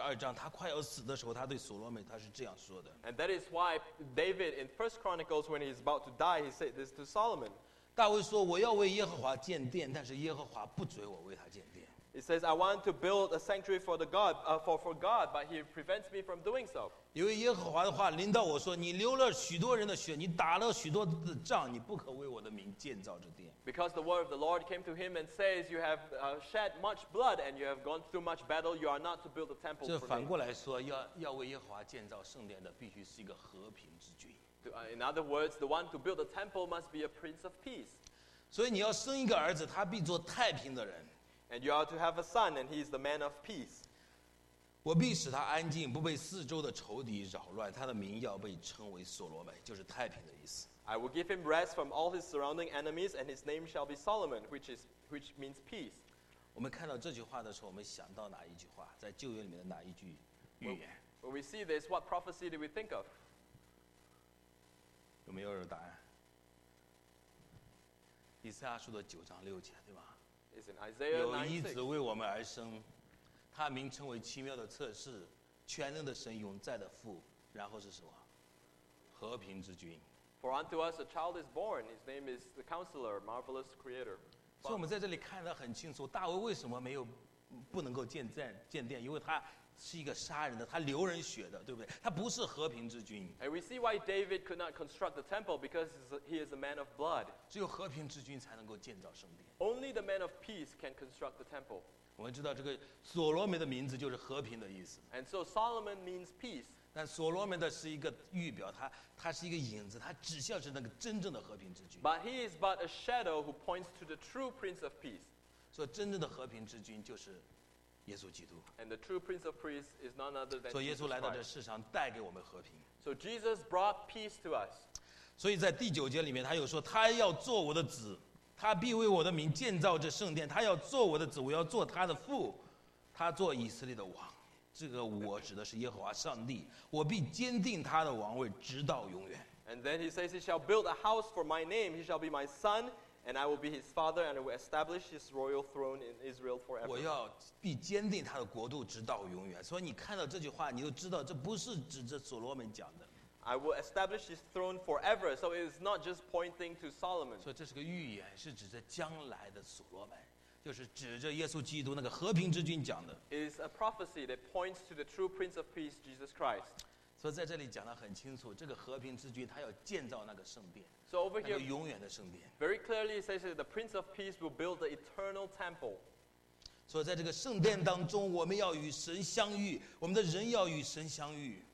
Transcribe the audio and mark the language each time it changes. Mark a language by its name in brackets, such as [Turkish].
[Chinese] 所以这就是为什么大卫在这个历代志上22章，他快要死的时候，他对所罗门他是这样说的。 [English] And that is why David in 1 Chronicles, when he's about to die, he said this to Solomon. [Chinese] 大卫说：“我要为耶和华建殿，但是耶和华不准我为他建殿。” [English] He says, "I want to build a sanctuary for the God, for God, but He prevents me from doing so." [Chinese] 因为耶和华的话临到我说：“你流了许多人的血，你打了许多的仗，你不可为我的名建造这殿。” [English] Because the word of the Lord came to him and says, "You have shed much blood and you have gone through much battle. You are not to build a temple." [Chinese] 这反过来说，要为耶和华建造圣殿的，必须是一个和平之君。 [English] In other words, the one to build a temple must be a prince of peace. [Chinese] 所以你要生一个儿子，他必做太平的人。 [English] And you are to have a son, and he is the man of peace. [Chinese] 我必使他安静，不被四周的仇敌扰乱。他的名要被称为所罗门，就是太平的意思。 [English] I will give him rest from all his surrounding enemies, and his name shall be Solomon, which means peace. [Chinese] 我们看到这句话的时候，我们想到哪一句话？在旧约里面的哪一句预言？ [English] When we see this, what prophecy do we think of? [Chinese] 有没有人答案？以赛亚书的九章六节，对吧？有一子为我们而生，他名称为奇妙的策士，全能的神，永在的父，然后是什么？和平之君。 [English] For unto us a child is born, his name is the Counselor, Marvelous Creator. [Chinese] 所以我们在这里看得很清楚，大卫为什么没有不能够建殿？因为他是一个杀人的，他流人血的，对不对？他不是和平之君。 [English] And we see why David could not construct the temple because he is a man of blood. [Chinese] 只有和平之君才能够建造圣殿。 [English] Only the man of peace can construct the temple. [Chinese] 我们知道这个所罗门的名字就是和平的意思。 [English] And so Solomon means peace. [Chinese] 但所罗门的是一个预表，他是一个影子，他指向是那个真正的和平之君。 [English] But he is but a shadow who points to the true Prince of Peace. [Chinese] 所以真正的和平之君就是。耶稣基督。 [English] And the true Prince of Peace is none other than Jesus Christ. [Chinese] 所以耶稣来到这世上，带给我们和平。 [English] So Jesus brought peace to us. [Chinese] 所以在第九节里面，他又说，他要做我的子，他必为我的名建造这圣殿。他要做我的子，我要做他的父，他做以色列的王。这个我指的是耶和华上帝，我必坚定他的王位，直到永远。 [English] And then he says, he shall build a house for my name. He shall be my son. And I will be his father, and I will establish his royal throne in Israel forever. [Chinese] 我要必坚定他的国度直到永远。所以你看到这句话，你就知道这不是指着所罗门讲的。 [English] I will establish his throne forever. So it is not just pointing to Solomon. [Chinese] 所以这是个预言，是指着将来的所罗门，就是指着耶稣基督那个和平之君讲的。 [English] It is a prophecy that points to the true Prince of Peace, Jesus Christ. [Chinese] 所以在这里讲得很清楚，这个和平之君他要建造那个圣殿。 [English] So over here, very clearly it says that the Prince of Peace will build the eternal temple. So, in this [Chinese] 圣殿当中，我们要与神相遇，我们的人要与神相遇。